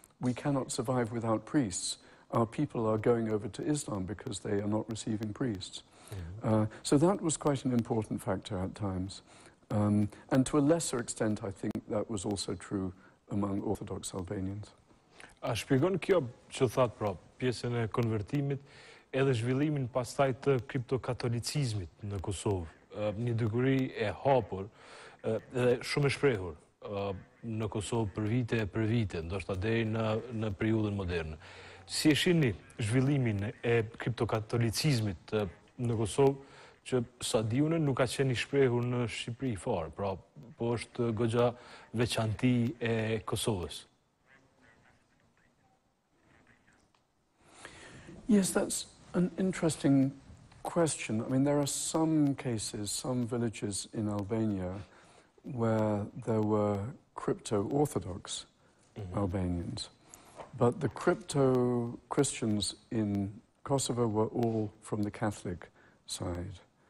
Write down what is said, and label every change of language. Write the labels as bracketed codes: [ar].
[en] We cannot survive without priests. Our people are going over to Islam because they are not receiving priests. Mm-hmm. So that was quite an important factor at times. And to a lesser extent, I think that was also true among Orthodox Albanians. [sq] A shpjegon kjo që thatë pra pjesën e konvertimit, edhe zhvillimin pastaj të kriptokatolicizmit në Kosovë, një degëri e hapur dhe shumë e shprehur në Kosovë për vite, ndoshta deri në periudhën moderne. Si e shihni zhvillimin e kriptokatolicizmit në Kosovë, që sa di unë nuk ka qenë i shprehur në Shqipëri fare, pra po është goxha veçanti e Kosovës? [en] Yes, that's an interesting question. I mean, there are some cases, some villages in Albania where there were crypto-Orthodox mm-hmm. Albanians, but the crypto-Christians in Kosovo were all from the Catholic side.